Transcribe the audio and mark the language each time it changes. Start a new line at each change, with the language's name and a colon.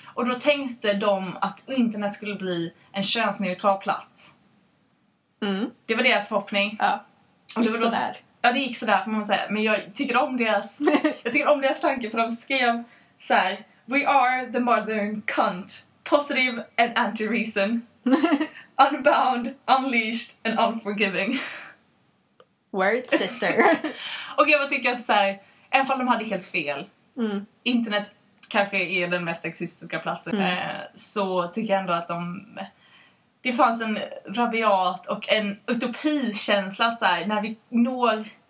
Swedish: Och då tänkte de att internet skulle bli en könsneutral plats. Mm. Det var deras förhoppning. Ja. Och det gick sådär. Ja, det gick sådär får man säga. Men jag tycker om deras tanke. För de skrev så här:
English: we are the modern cunt. Positive and anti-reason. Unbound, unleashed and unforgiving. Word, sister.
Swedish: Och jag tycker att så här, även om de hade helt fel. Mm. Internet kanske är den mest sexistiska platsen. Mm. Så tycker jag ändå att de... Det fanns en rabiat och en utopikänsla. Så här, när vi når